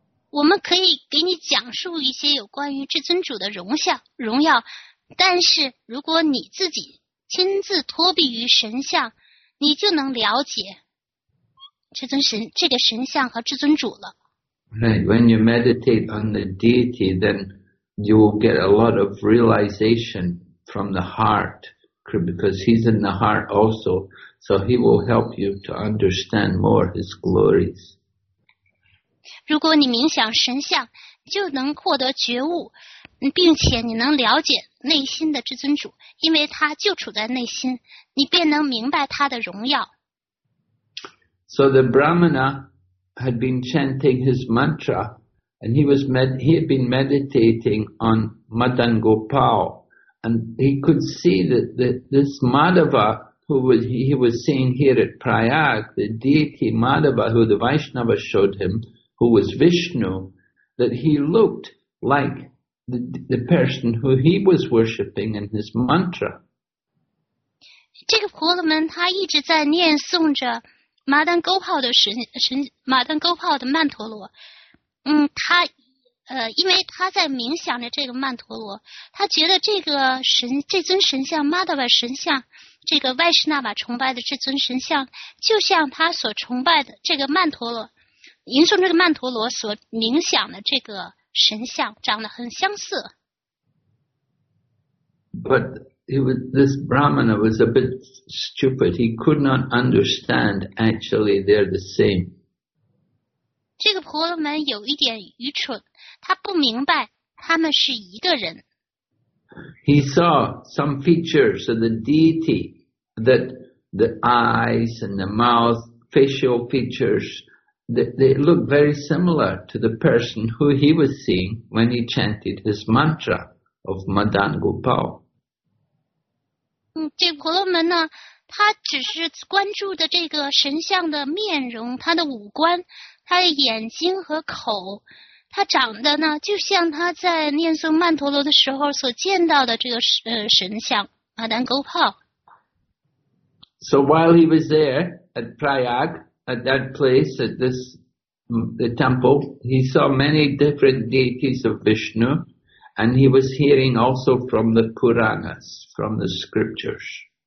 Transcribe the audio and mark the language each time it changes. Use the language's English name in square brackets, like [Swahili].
[Chinese] 我们可以给你讲述一些有关于至尊主的荣耀，但是如果你自己亲自脱离于神像，你就能了解这个神像和至尊主了。 [English] Right, when you meditate on the deity, then you will get a lot of realization from the heart, because he's in the heart also. So he will help you to understand more his glories. [Chinese] 如果你冥想神像，就能获得觉悟，并且你能了解内心的至尊主，因为他就处在内心，你便能明白他的荣耀。 [English] So the Brahmana had been chanting his mantra, and he had been meditating on Madan Gopal, and he could see that this Madhava. who he was seeing here at Prayag, the deity Madhava, who the Vaishnava showed him, who was Vishnu, that he looked like the person who he was worshipping in his mantra. [Chinese] 这个婆罗门他一直在念诵着马丹勾炮的曼陀罗。因为他在冥想着这个曼陀罗，他觉得这尊神像 Madhava 神像，这个 Vaishnava 崇拜的这尊神像，就像他所崇拜的这个曼陀罗，吟诵这个曼陀罗所冥想的这个神像，长得很相似。 [English] But this Brahmana was a bit stupid. He could not understand actually they're the same. [Chinese] 这个婆罗门有一点愚蠢，他不明白他们是一个人。 [English] He saw some features of the deity that the eyes and the mouth, facial features, they look very similar to the person who he was seeing when he chanted his mantra of Madan Gopal. [Chinese] 这婆罗门呢，他只是关注的这个神像的面容，他的五官。他的眼睛和口，他长得呢，就像他在念诵曼陀罗的时候所见到的这个神像马丹勾炮。 [English] So while he was there at Prayag, at that place, at this the temple, he saw many different deities of Vishnu, and he was hearing also from the Puranas, from the scriptures.